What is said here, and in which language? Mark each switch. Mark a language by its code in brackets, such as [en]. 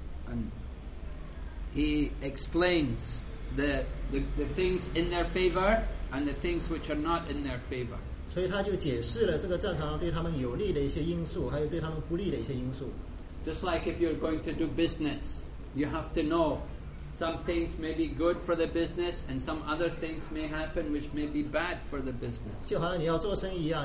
[en] And he explains the things in their favor and the things which are not in their favor. [zh] 所以他就解释了这个战场上对他们有利的一些因素，还有对他们不利的一些因素。 [en] Just like if you're going to do business, you have to know. Some things may be good for the business, and some other things may happen which may be bad for the business.